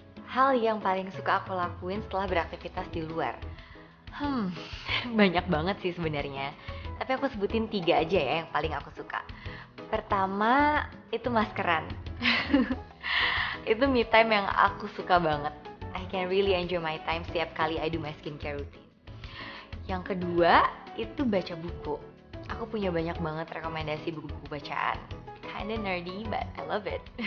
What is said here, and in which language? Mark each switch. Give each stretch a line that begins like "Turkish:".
Indonesian: Hal yang paling suka aku lakuin setelah beraktivitas di luar. Banyak banget sih sebenarnya. Tapi aku sebutin 3 aja ya yang paling aku suka. Pertama, itu maskeran. Itu me time yang aku suka banget.
English: I can really enjoy my time
Indonesian: setiap kali
English: I do my skincare routine.
Indonesian: Yang kedua, itu baca buku. Aku punya banyak banget rekomendasi buku-buku bacaan.
English: Kinda nerdy, but I love it.